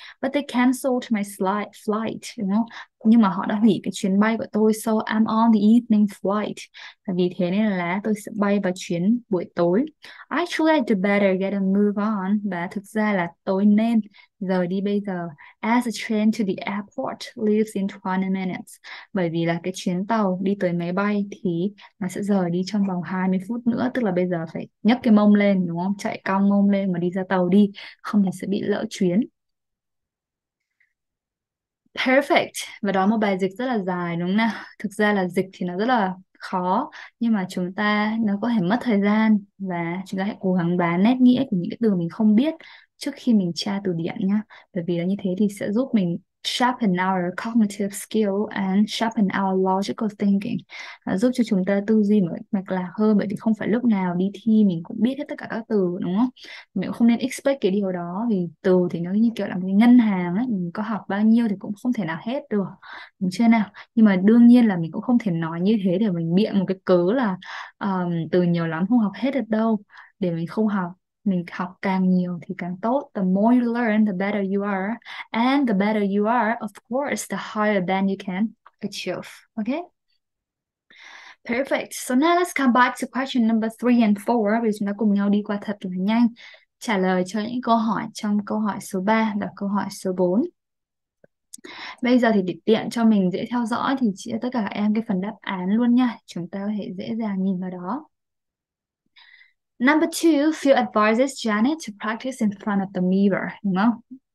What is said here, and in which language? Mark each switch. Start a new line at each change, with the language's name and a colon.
English: But they canceled my flight,
Vietnamese: Nhưng mà họ đã hủy cái chuyến bay của tôi.
English: So I'm on the evening flight.
Vietnamese: Và vì thế nên là tôi sẽ bay vào chuyến buổi tối.
English: Actually, I do better get a move on.
Vietnamese: Và thực ra là tôi nên rời đi bây giờ.
English: As the train to the airport leaves in 20 minutes.
Vietnamese: Bởi vì là cái chuyến tàu đi tới máy bay thì nó sẽ rời đi trong vòng 20 phút nữa. Tức là bây giờ phải nhấc cái mông lên, đúng không? Chạy cong mông lên mà đi ra tàu đi. Không thì sẽ bị lỡ chuyến. Perfect. Và đó một bài dịch rất là dài đúng không nào? Thực ra là dịch thì nó rất là khó, nhưng mà chúng ta nó có thể mất thời gian và chúng ta hãy cố gắng đoán nét nghĩa của những cái từ mình không biết trước khi mình tra từ điển nhá. Bởi vì là như thế thì sẽ giúp mình
English: sharpen our cognitive skill and sharpen our logical thinking.
Vietnamese: Nó giúp cho chúng ta tư duy một mạch lạc hơn, bởi vì không phải lúc nào đi thi mình cũng biết hết tất cả các từ đúng không? Mình cũng không nên expect cái điều đó, vì từ thì nó như kiểu là một cái ngân hàng ấy, mình có học bao nhiêu thì cũng không thể nào hết được. Đúng chưa nào? Nhưng mà đương nhiên là mình cũng không thể nói như thế để mình biện một cái cớ là từ nhiều lắm không học hết được đâu, để mình không học. Mình học càng nhiều thì càng tốt.
English: The more you learn, the better you are. And the better you are, of course, the higher than you can achieve. Okay? Perfect. So now let's come back to question number 3 and 4.
Vietnamese: Bây giờ chúng ta cùng nhau đi qua thật là nhanh. Trả lời cho những câu hỏi trong câu hỏi số 3 và câu hỏi số 4. Bây giờ thì để tiện cho mình dễ theo dõi thì chia tất cả em cái phần đáp án luôn nha. Chúng ta có thể dễ dàng nhìn vào đó.
English: Number 2, Phil advises Janet to practice in front of the mirror.
Vietnamese: Đúng không?